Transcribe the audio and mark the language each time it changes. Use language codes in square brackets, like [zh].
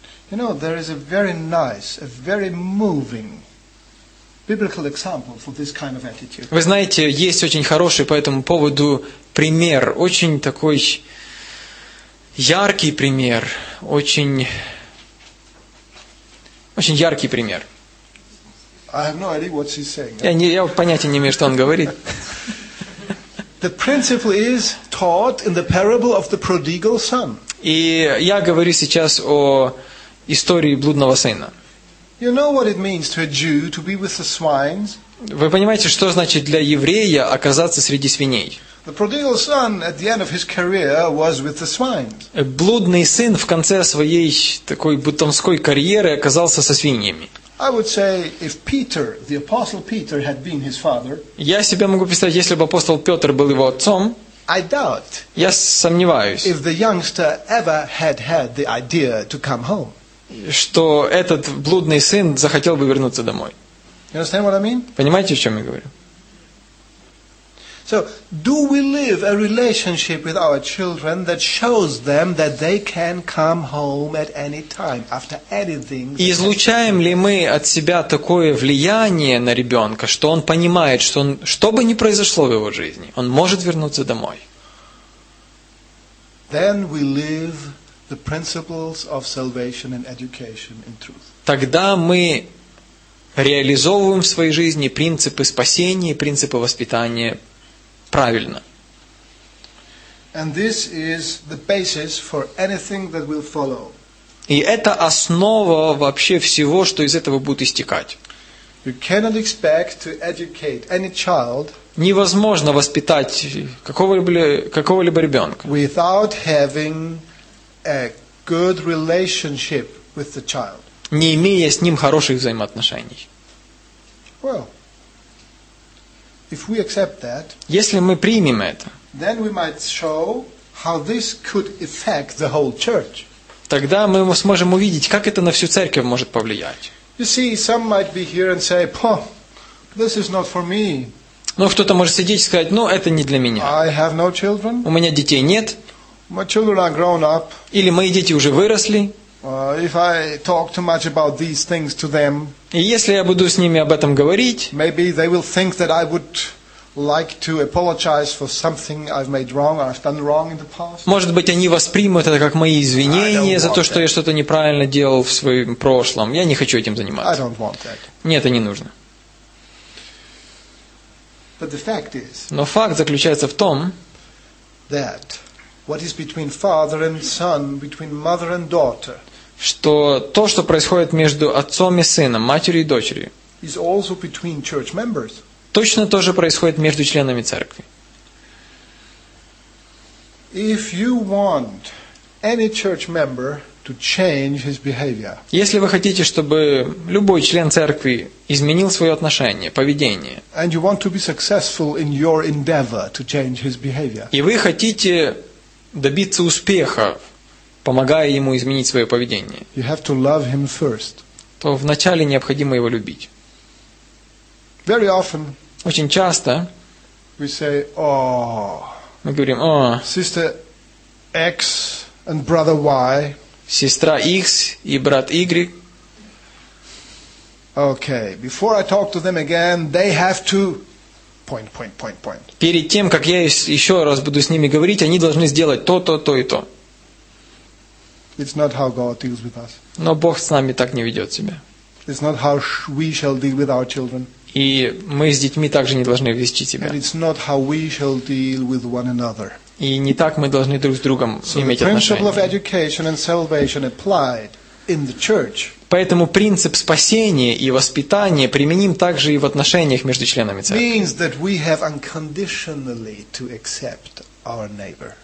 [en] You know, there is a very nice, a very moving biblical example for this kind of attitude. [ru] Вы знаете, есть очень хороший по этому поводу пример, очень такой яркий пример, очень яркий пример. [en] I have no idea what he's saying. [ru] Я понятия не имею, что он говорит. [en] The principle is taught in the parable of the prodigal son. [ru] И я говорю сейчас о истории блудного сына. [en] You know what it means to a Jew to be with the swines? [ru] Вы понимаете, что значит для еврея оказаться среди свиней? [en] The prodigal son at the end of his career was with the swines. [ru] Блудный сын в конце своей такой бутомской карьеры оказался со свиньями. [en] I would say if Peter, the apostle Peter, had been his father. [ru] Я себе могу представить, если бы апостол Петр был его отцом. [en] I doubt. [ru] Я сомневаюсь. [en] If the youngster ever had the idea to come home. [ru] Что этот блудный сын захотел бы вернуться домой. [en] You understand what I mean? [ru] Понимаете, о чем я говорю? [en] So, do we live a relationship with our children that shows them that they can come home at any time after anything? [ru] Излучаем ли мы от себя такое влияние на ребенка, что он понимает, что он, что бы ни произошло в его жизни, он может вернуться домой? [en] Then we live the principles of salvation and education in truth. [ru] Тогда мы реализовываем в своей жизни принципы спасения и принципы воспитания правильно. [en] And this is the basis for anything that will follow. [ru] И это основа вообще всего, что из этого будет истекать. [en] You cannot expect to educate any child. [ru] Невозможно воспитать какого-либо ребенка [en] without having a good relationship with the child. [ru] Не имея с ним хороших взаимоотношений. [en] Well, if we accept that, [ru] если мы примем это, [en] then we might show how this could affect the whole church. [ru] Тогда мы сможем увидеть, как это на всю церковь может повлиять. [en] You see, some might be here and say, "Poh, this is not for me." [ru] Ну, кто-то может сидеть и сказать, ну, это не для меня. [en] I have no children. [ru] У меня детей нет. [en] My children are grown up. [ru] Или мои дети уже выросли. [en] If I talk too much about these things to them, [ru] и если я буду с ними об этом говорить, [en] maybe they will think that I would like to apologize for something I've made wrong or I've done wrong in the past. [ru] Может быть, они воспримут это как мои извинения за то, что я что-то неправильно делал в своем прошлом. Я не хочу этим заниматься. [en] I don't want that. [ru] Нет, это не нужно. [en] But the fact is, [ru] но факт заключается в том, [en] that what is between father and son, between mother and daughter, [ru] что то, что происходит между отцом и сыном, матерью и дочерью, [en] is also between church members. [ru] Точно то же происходит между членами церкви. [en] If you want any church member to change his behavior. [ru] Если вы хотите, чтобы любой член церкви изменил своё отношение, поведение. [en] And you want to be successful in your endeavor to change his behavior. [ru] И вы хотите добиться успеха, помогая ему изменить своё поведение. [en] You have to love him first. [ru] То вначале необходимо его любить. [en] Very often. [ru] Очень часто. [en] We say, "Oh." [ru] Мы говорим: "О, [en] sister X and brother Y." [ru] Сестра X и брат Y. [en] Okay, before I talk to them again, they have to point point point point. [ru] Перед тем, как я ещё раз буду с ними говорить, они должны сделать то, то, то и то. [en] It's not how God deals with us. [ru] Но Бог с нами так не ведёт себя. [en] It's not how we shall deal with our children. [ru] И мы с детьми также не должны вести себя. [en] And it's not how we shall deal with one another. [ru] И не так мы должны друг с другом иметь отношения. Поэтому принцип спасения и воспитания применим также и в отношениях между членами церкви.